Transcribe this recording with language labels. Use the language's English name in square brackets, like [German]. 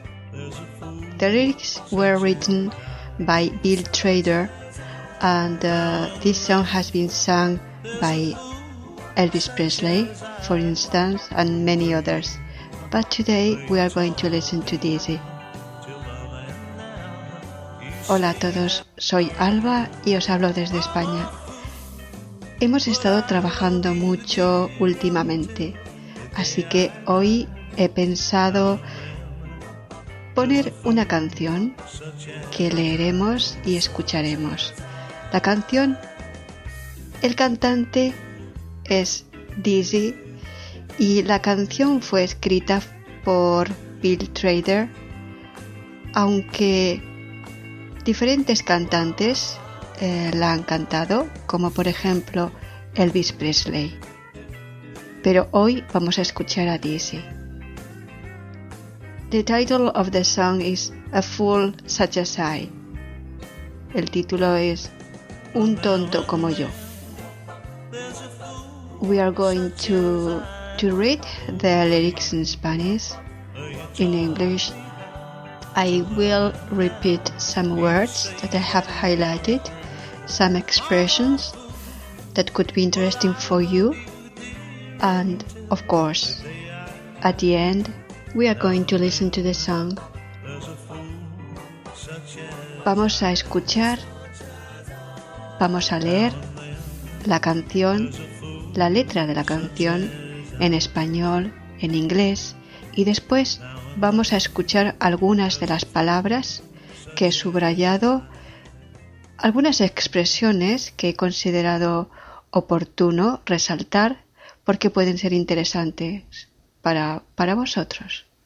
[English] The lyrics were written by Bill Trader, and this song has been sung by Elvis Presley, for instance, and many others. But today we are going to listen to Dizzy. [Spanish] Hola a todos, soy Alba y os hablo desde España. Hemos estado trabajando mucho últimamente, así que hoy he pensado poner una canción que leeremos y escucharemos. La canción, el cantante es Dizzy y la canción fue escrita por Bill Trader, aunque diferentes cantantes la han cantado, como por ejemplo Elvis Presley. Pero hoy vamos a escuchar a Dizzy. [English] The title of the song is A Fool Such as I. [Spanish] El título es Un tonto como yo. [English] We are going to read the lyrics in Spanish. In English, I will repeat some words that I have highlighted, some expressions that could be interesting for you. And of course, at the end, we are going to listen to the song. [Spanish] Vamos a escuchar, vamos a leer la canción, la letra de la canción en español, en inglés, y después vamos a escuchar algunas de las palabras que he subrayado, algunas expresiones que he considerado oportuno resaltar porque pueden ser interesantes para vosotros.